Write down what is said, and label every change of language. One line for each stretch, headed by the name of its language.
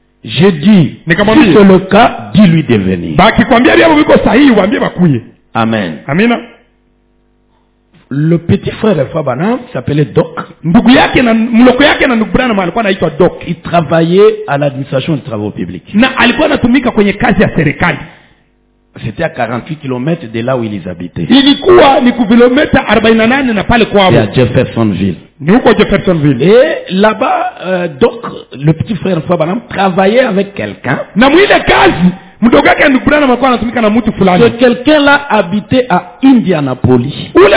French: Je dis, si c'est le cas, dis-lui de venir.
Swahili: Baki kwambia hapo biko sahihi waambie bakuye.
French: Amen.
Swahili: Amina.
French: Le petit frère de Frère Branham s'appelait Doc.
Swahili: Ndugu yake na mloko yake na ndugu Branham alikuwa anaitwa Doc.
French: Il travaillait à l'administration des travaux publics.
Swahili: Na alikuwa anatumika kwenye kazi ya serikali.
French: C'était à 48 km de là où ils habitaient.
Swahili: Ilikuwa ni kilomita 48 na pale kwao. Ya Jeffersonville. Jeffersonville.
French: Et là-bas, donc, le petit frère François Branham travaillait avec quelqu'un. Ce quelqu'un-là habitait à Indianapolis.